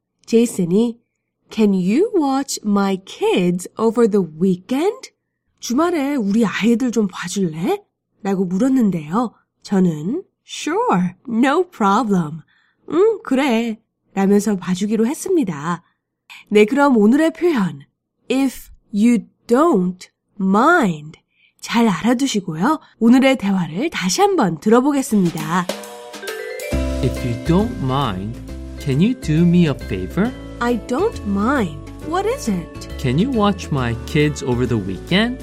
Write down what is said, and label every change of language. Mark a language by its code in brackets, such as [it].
[en] 제이슨이 Can you watch my kids over the weekend? [ko] 주말에 우리 아이들 좀 봐줄래? 라고 물었는데요. 저는 [en] Sure, no problem. [ko] 응, 그래. 라면서 봐주기로 했습니다. 네, 그럼 오늘의 표현 [en] If you don't mind. [ko] 잘 알아두시고요. 오늘의 대화를 다시 한번 들어보겠습니다. [en] If you don't mind, can you do me a favor? I don't mind. What is it? Can you watch my kids over the weekend?